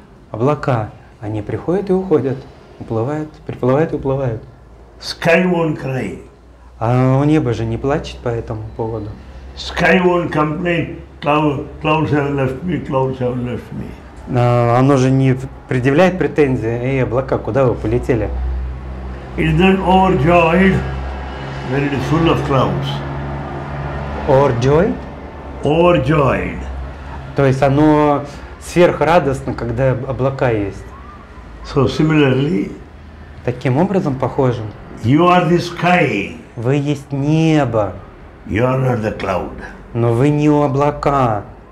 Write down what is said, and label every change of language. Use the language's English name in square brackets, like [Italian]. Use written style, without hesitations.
[Russian] Облака, они приходят и уходят. Уплывают, приплывают и уплывают. [English] Sky won't cry. [Russian] А небо же не плачет по этому поводу. [English] Sky won't complain. Clouds have left me, clouds have left me. [Russian] А оно же не предъявляет претензии. Эй, облака, куда вы полетели? [English] It's not overjoyed when it is full of clouds. Overjoyed? Overjoyed. [Russian] То есть оно сверхрадостно, когда облака есть. [English] So similarly. [Russian] Таким образом похожим. [English] You are the sky. [Russian] Вы есть небо. [English] You are not the cloud. [Russian] Но вы не облака.